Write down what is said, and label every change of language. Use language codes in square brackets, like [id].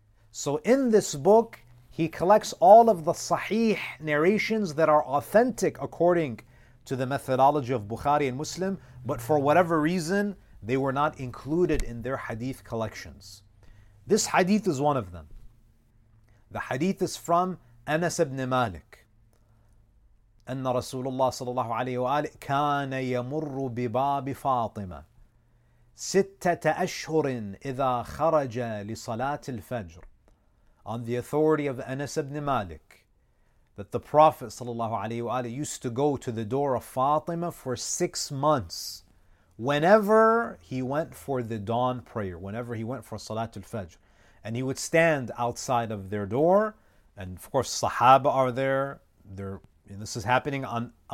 [en] So in this book, he collects all of the sahih narrations that are authentic according to the methodology of Bukhari and Muslim, but for whatever reason, they were not included in their hadith collections. This hadith is one of them. The hadith is from Anas ibn Malik. [ar] أن رسول الله صلى الله عليه وآله كان يمر بباب فاطمة ستة أشهر إذا خرج لصلاة الفجر. [en] On the authority of Anas ibn Malik, that the Prophet [ar] صلى الله عليه وآله [en] used to go to the door of Fatima for 6 months whenever he went for the dawn prayer, whenever he went for Salat al-Fajr. And he would stand outside of their door, and of course Sahaba are there, and this is happening on